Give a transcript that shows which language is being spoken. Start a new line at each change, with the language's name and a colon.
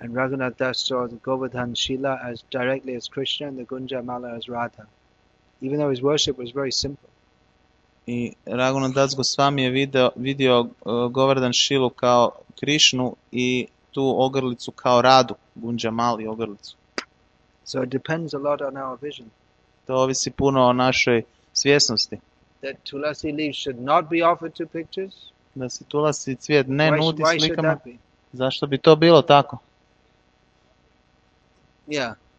English: And Raghunath Das saw the Govardhan Shila as directly as Krishna and the Gunja Mala as Radha. Even though his worship was very simple.
Croatian: I Raghunath Das Goswami je vidio Govardhan Šilu kao Krišnu i tu ogrlicu kao Radu, Gunja Mali ogrlicu.
English: So it depends a lot on our vision.
Croatian: To ovisi puno o našoj svjesnosti.
English: That tulasi leaf should not be offered to pictures?
Croatian: Da se tulasi cvijet ne nudi
English: why
Croatian: slikama. Zašto bi to bilo tako?
English: Yeah.